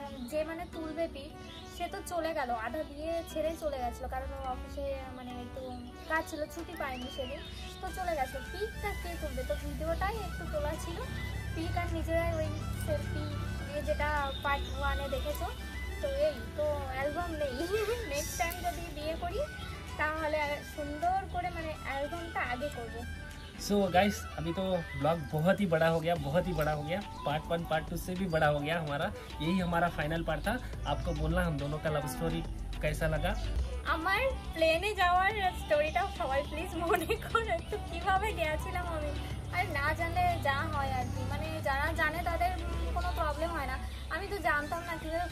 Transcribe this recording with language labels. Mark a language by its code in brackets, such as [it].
[bn] যে মানে তুলবে পিক সে তো চলে গেল, আধা বিয়ে ছেড়ে চলে গেছিল কারণ অফিসে মানে একটু কাজ ছিল ছুটি পায়নি সেদিন, তো চলে গেছে, পিকটা কে তুলবে, তো ভিডিওটাই একটু তোলা ছিল পিক আর নিজেরাই ওই সেলফি নিয়ে যেটা পার্ট ওয়ানে দেখেছো, তো এই তো অ্যালবাম নেই, নেক্সট টাইম যদি বিয়ে করি তাহলে সুন্দর করে মানে অ্যালবামটা আগে করবো। [hi] सो गाइस अभी तो ब्लॉग बहुत ही बड़ा हो गया, बहुत ही बड़ा हो गया, पार्ट 1 पार्ट 2 से भी बड़ा हो गया हमारा, यही हमारा फाइनल पार्ट था, आपको बोलना हम दोनों का लव स्टोरी कैसा लगा, [bn] আমার প্লেনে যাওয়ার স্টোরিটা সবাই প্লিজ মনে করে তো কিভাবে গিয়েছিলাম আমি, আর না জানলে যা হয় আর কি, মানে যারা জানে তাদের কোনো প্রবলেম হয় না, আমি তো জানতাম না কি